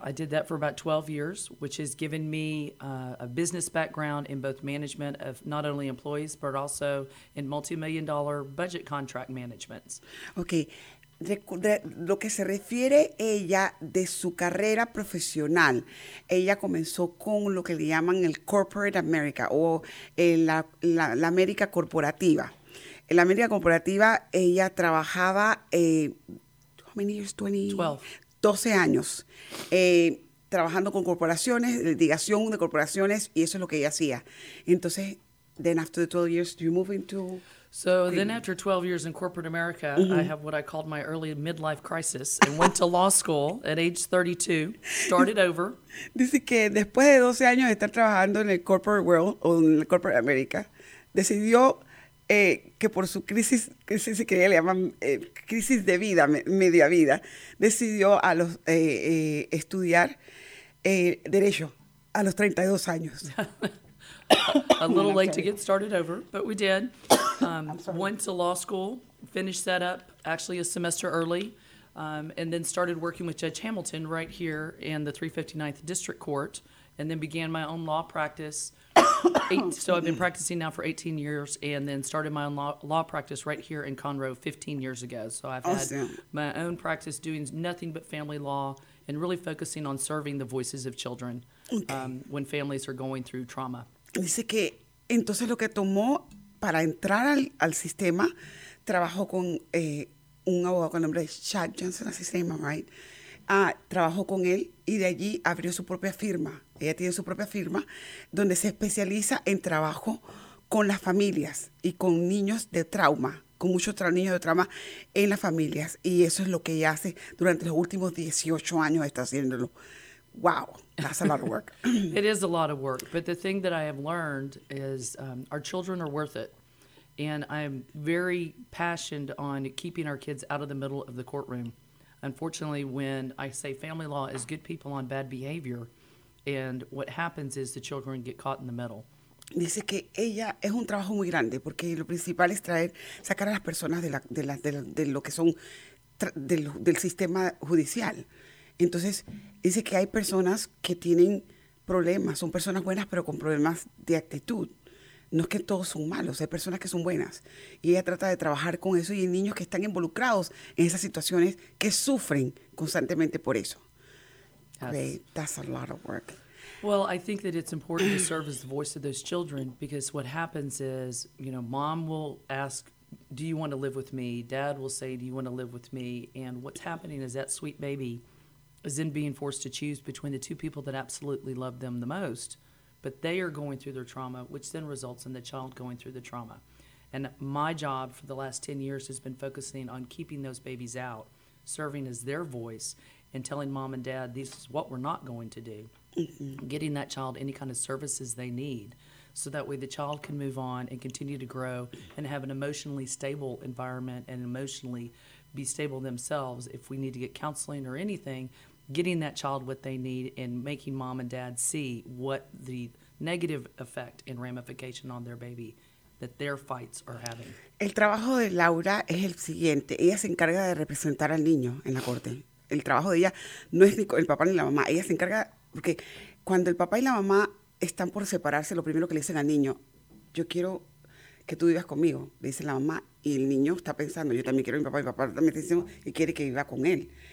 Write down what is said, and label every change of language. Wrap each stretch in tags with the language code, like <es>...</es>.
<en>I did that for about 12 years, which has given me a business background in both management of not only employees, but also in multi-million dollar budget contract managements. Okay.</en> <es>De lo que se refiere ella de su carrera profesional, ella comenzó con lo que le llaman el corporate America o la América corporativa. En la América corporativa, ella trabajaba,</es> <en>how many years, 20?</en> <es>12 años, trabajando con corporaciones, delegación de corporaciones, y eso es lo que ella hacía. Entonces,</es> <en>Then after the 12 years, do you move into? So then after 12 years in corporate America, mm-hmm. I have what I called my early midlife crisis and went to law school at age 32, started over.</en> <es>Dice que después de 12 años de estar trabajando en el corporate world o en el corporate America, decidió que por su crisis que ella le llaman crisis de vida, media vida, decidió a los estudiar derecho a los 32 años.</es> <en>A little late to get started over, but we did. Went to law school, finished that up actually a semester early, and then started working with Judge Hamilton right here in the 359th District Court, and then began my own law practice. So I've been practicing now for 18 years, and then started my own law practice right here in Conroe 15 years ago. So I've had my own practice doing nothing but family law and really focusing on serving the voices of children when families are going through trauma.</en> <es>Dice que entonces lo que tomó para entrar al sistema, trabajó con un abogado con el nombre de Chad Johnson, así se llama,</es> <en>right?</en> <es>Trabajó con él y de allí abrió su propia firma. Ella tiene su propia firma donde se especializa en trabajo con las familias y con niños de trauma, con muchos niños de trauma en las familias. Y eso es lo que ella hace durante los últimos 18 años, está haciéndolo.</es> <en>Wow. That's a lot of work. It is a lot of work. But the thing that I have learned is our children are worth it. And I'm very passionate on keeping our kids out of the middle of the courtroom. Unfortunately, when I say family law is good people on bad behavior, and what happens is the children get caught in the middle.</en> <es>Dice que ella es un trabajo muy grande porque lo principal es traer, sacar a las personas de lo que son del sistema judicial. Entonces, dice que hay personas que tienen problemas, son personas buenas, pero con problemas de actitud. No es que todos son malos, hay personas que son buenas. Y ella trata de trabajar con eso y hay niños que están involucrados en esas situaciones que sufren constantemente por eso.</es> <en>Yes. Okay, that's a lot of work. Well, I think that it's important to serve as the voice of those children because what happens is, you know, mom will ask, do you want to live with me? Dad will say, do you want to live with me? And what's happening is that sweet baby is in being forced to choose between the two people that absolutely love them the most, but they are going through their trauma, which then results in the child going through the trauma. And my job for the last 10 years has been focusing on keeping those babies out, serving as their voice, and telling mom and dad, this is what we're not going to do, getting that child any kind of services they need, so that way the child can move on and continue to grow and have an emotionally stable environment and emotionally be stable themselves. If we need to get counseling or anything, getting that child what they need and making mom and dad see what the negative effect and ramification on their baby that their fights are having.</en> <es>El trabajo de Laura es el siguiente. Ella se encarga de representar al niño en la corte. El trabajo de ella no es ni el papá ni la mamá. Ella se encarga porque cuando el papá y la mamá están por separarse, lo primero que le dicen al niño, yo quiero que tú vivas conmigo, le dice la mamá, y el niño está pensando, yo también quiero a mi papá también dice, y quiere que viva con él.</es>